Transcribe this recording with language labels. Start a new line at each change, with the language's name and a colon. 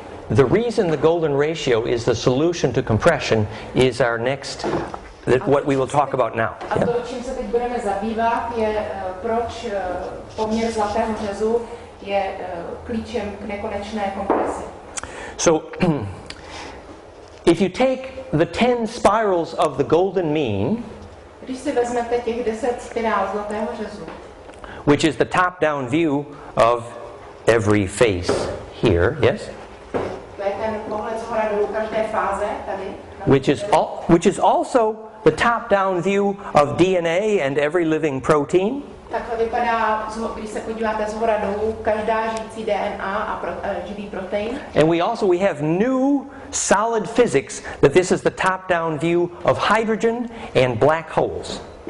English: The reason the golden ratio is the solution to compression is our next, what we will talk about now.
Czech: A yeah? To, čím se teď budeme zabývat, je proč poměr zlatého řezu je klíčem k nekonečné kompresi.
English: So, if you take the 10 spirals of the golden mean,
Czech: když si vezmete těch 10 spirál zlatého řezu,
English: which is the top-down view of every face here, yes?
Czech: To je ten pohled zhora dolů každé fáze tady.
English: Which is also the top-down view of DNA and every living protein.
Czech: Takhle vypadá, když se podíváte zhora dolů, každá žijící DNA a živý protein.
English: And we have new solid physics, that this is the top-down view of hydrogen and black holes.